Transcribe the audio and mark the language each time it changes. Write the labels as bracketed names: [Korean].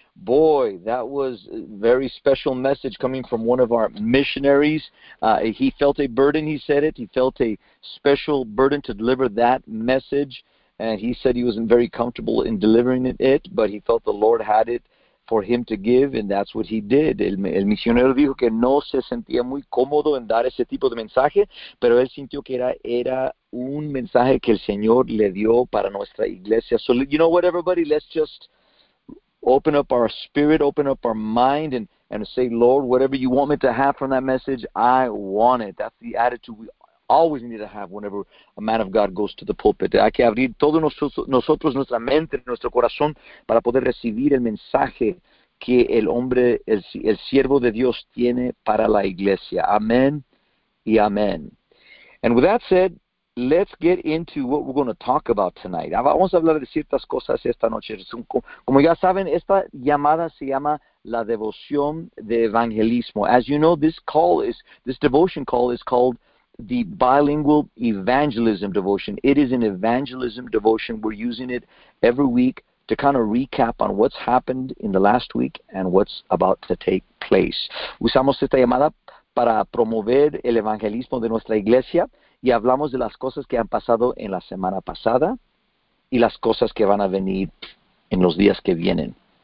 [English] Boy, that was a very special message coming from one of our missionaries. He felt a burden, he said it. He felt a special burden to deliver that message. And he said he wasn't very comfortable in delivering it, but he felt the Lord had it for him to give, and that's what he did. [Spanish] El misionero dijo que no se sentía muy cómodo en dar ese tipo de mensaje, pero él sintió que era un mensaje que el Señor le dio para nuestra iglesia. [English] So, you know what, everybody? Let's just open up our spirit, open up our mind, and say, Lord, whatever you want me to have from that message, I want it. That's the attitude we always need to have whenever a man of God goes to the pulpit. [Spanish] Hay que abrir todos nosotros, nuestra mente, nuestro corazón, para poder recibir el mensaje que el hombre, el siervo de Dios tiene para la iglesia. Amen y amen. [English] And with that said, let's get into what we're going to talk about tonight. [Spanish] Vamos a hablar de ciertas cosas esta noche. Como ya saben, esta llamada se llama la devoción de evangelismo. [English] As you know, this devotion call is called the bilingual evangelism devotion. It is an evangelism devotion. We're using it every week to kind of recap on what's happened in the last week and what's about to take place. [Spanish] Usamos esta llamada para promover el evangelismo de nuestra iglesia y hablamos de las cosas que han pasado en la semana pasada y las cosas que van a venir en los días que vienen.